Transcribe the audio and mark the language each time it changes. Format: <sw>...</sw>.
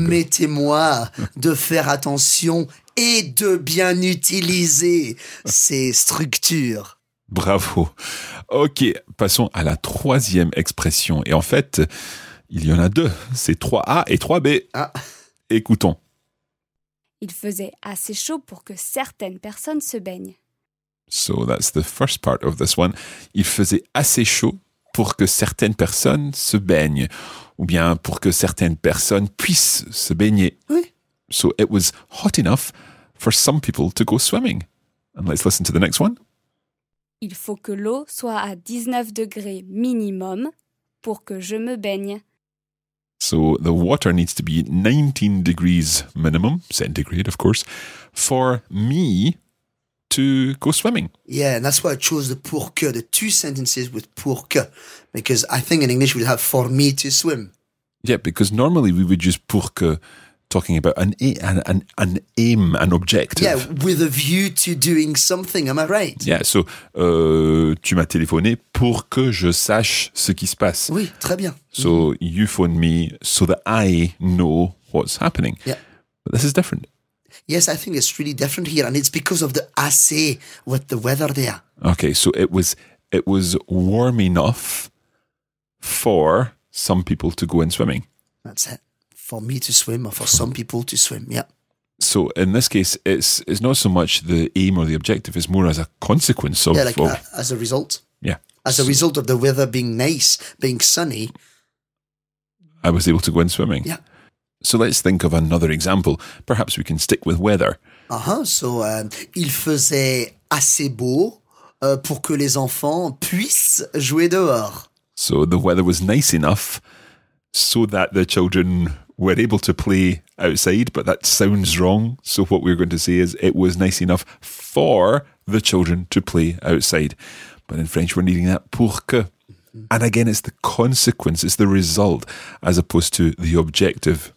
<fr>Promettez-moi de faire attention et de bien utiliser ces structures. Bravo. Ok, passons à la troisième expression, et en fait... Il y en a deux, c'est 3A et 3B. Ah. Écoutons. Il faisait assez chaud pour que certaines personnes se baignent.</fr> <en>So that's the first part of this one.</en> <fr>Il faisait assez chaud pour que certaines personnes se baignent. Ou bien pour que certaines personnes puissent se baigner. Oui.</fr> <en>So it was hot enough for some people to go swimming. And let's listen to the next one.</en> <fr>Il faut que l'eau soit à 19 degrés minimum. Pour que je me baigne.</fr> <en>So the water needs to be 19 degrees minimum, centigrade of course, for me to go swimming. Yeah, and that's why I chose the pour que, the two sentences with pour que, because I think in English we'd have for me to swim. Yeah, because normally we would use pour que talking about an aim, an objective. Yeah, with a view to doing something, am I right? Yeah, so,</en> <fr>tu m'as téléphoné pour que je sache ce qui se passe. Oui, très bien.</fr> <en>So, you phoned me so that I know what's happening. Yeah. But this is different. Yes, I think it's really different here, and it's because of the assez with the weather there. Okay, so it was warm enough for some people to go in swimming. That's it. For me to swim or for some people to swim, yeah. So in this case, it's not so much the aim or the objective, it's more as a consequence of... Yeah, like as a result. Yeah. As a result of the weather being nice, being sunny. I was able to go in swimming. Yeah. So let's think of another example. Perhaps we can stick with weather. Uh-huh. So,</en> <fr>il faisait assez beau pour que les enfants puissent jouer dehors.</fr> <en>So the weather was nice enough... So that the children were able to play outside, but that sounds wrong. So what we're going to say is it was nice enough for the children to play outside. But in French, we're needing that pour que. Mm-hmm. And again, it's the consequence, it's the result, as opposed to the objective.</en>